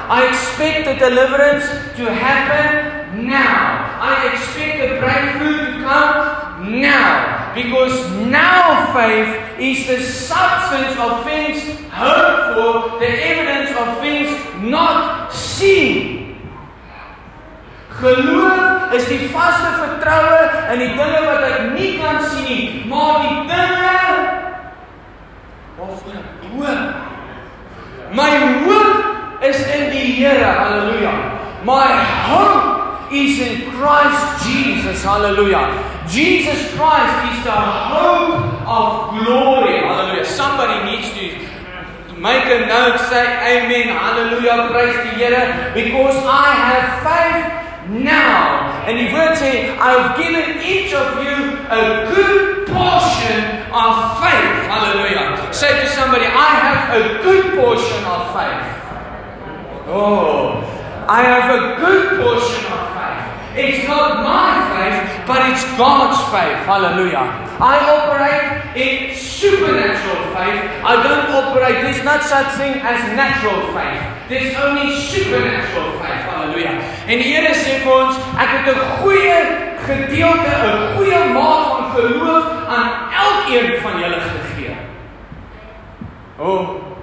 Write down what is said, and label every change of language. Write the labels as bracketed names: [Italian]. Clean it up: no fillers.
[English] I expect the deliverance to happen now. I expect the breakthrough to come now. Because now faith is the substance of things hoped for, the evidence of things not seen. [Afrikaans] Geloof is die vaste vertroue in die dinge wat ek nie kan sien nie, maar die dinge waarvan ek hoop. My hoop is in die Here, halleluja. [English] My hope is in Christ Jesus, [Afrikaans] halleluja. [English] Jesus Christ is the hope of glory, halleluja. Somebody needs to make a note, say amen, halleluja, [Afrikaans] prys die Here, [English] because I have faith now. And the word says, I have given each of you a good portion of faith. Hallelujah. Say to somebody, I have a good portion of faith. Oh, I have a good portion of faith. It's not my faith, but it's God's faith. Hallelujah. I operate in supernatural faith. I don't operate, there's not such thing as natural faith. There's only supernatural faith. Hallelujah. [Afrikaans] En die Here sê vir ons, ek het 'n goeie gedeelte, 'n goeie maat van geloof aan elkeen van julle gegee. Oh.